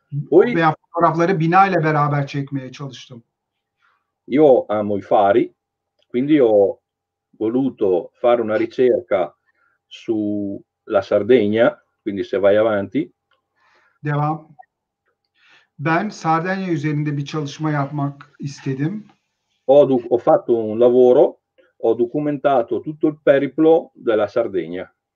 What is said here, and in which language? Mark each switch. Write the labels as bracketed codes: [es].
[tr] Poi, veya fotoğrafları bina ile beraber çekmeye çalıştım. [it] Io amo i fari, quindi ho voluto fare una ricerca sulla Sardegna, quindi se vai avanti. [tr] Devam. Ben Sardegna üzerinde bir çalışma yapmak istedim. [it] Ho fatto un lavoro, ho documentato tutto il periplo della Sardegna.